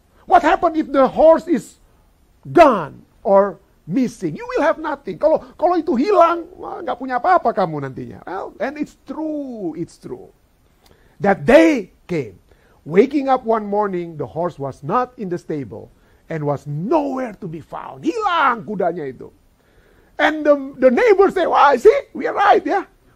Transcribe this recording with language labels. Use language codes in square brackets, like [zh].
[en] What happened if the horse is gone or missing? You will have nothing. [id] Kalau itu hilang, enggak punya apa-apa kamu nantinya. [en] Well, and it's true. That day came. Waking up one morning, the horse was not in the stable and was nowhere to be found. [id] Hilang kudanya itu. [en] And the neighbor say, "Wah, see? We are right, yeah.